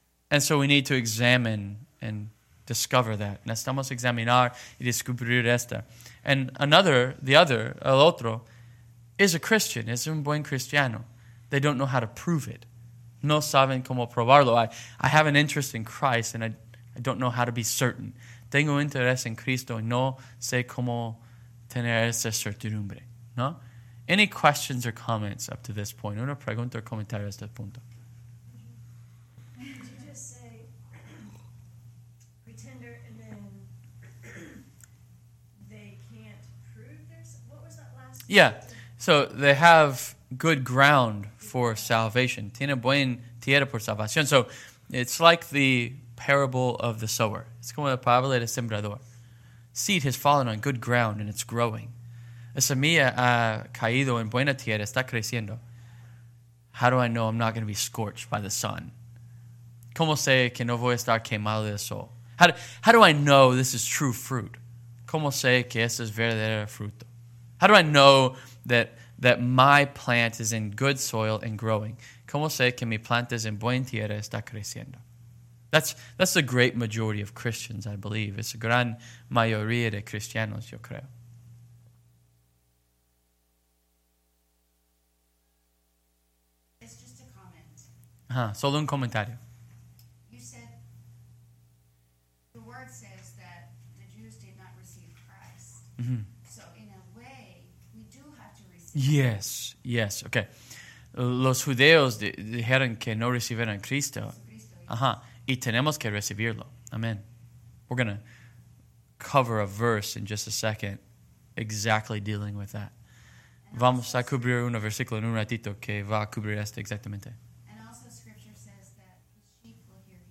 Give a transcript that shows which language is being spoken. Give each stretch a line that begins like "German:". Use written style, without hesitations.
English: And so we need to examine and discover that.
Spanish: Necesitamos examinar y descubrir esta.
English: And another, the other,
Spanish: el otro,
English: is a Christian,
Spanish: es un buen cristiano.
English: They don't know how to prove it.
Spanish: No saben cómo probarlo.
English: I have an interest in Christ and I don't know how to be certain.
Spanish: Tengo interés en Cristo y no sé cómo tener esa certidumbre, ¿no?
English: Any questions or comments up to this point?
Spanish: Una pregunta o comentario a este punto.
English: Did you just say pretender and then they can't prove their... What was that last... Yeah, so they have good ground for salvation.
Spanish: Tiene buen tierra por salvación.
English: So it's like the parable of the sower. It's
Spanish: como la parábola del sembrador.
English: Seed has fallen on good ground and it's growing.
Spanish: La semilla ha caído en buena tierra, está creciendo.
English: How do I know I'm not going to be scorched by the sun?
Spanish: ¿Cómo sé que no voy a estar quemado del sol?
English: How do I know this is true fruit?
Spanish: ¿Cómo sé que esto es verdadero fruto?
English: How do I know that my plant is in good soil and growing?
Spanish: ¿Cómo sé que mi planta es en buena tierra, está creciendo?
English: That's the great majority of Christians, I believe. It's a
Spanish: gran mayoría de cristianos, yo creo.
English: It's just a comment.
Spanish: Solo un comentario.
English: You said, the word says that the Jews did not receive Christ. Mm-hmm. So in a way, we do have to receive. Yes, yes, okay.
Spanish: Los judeos dijeron que no recibieron Cristo. Y tenemos que recibirlo. Amen.
English: We're going to cover a verse in just a second exactly dealing with that.
Spanish: Vamos a cubrir un versículo en un ratito que va a cubrir este exactamente.
English: And also scripture says that the sheep will hear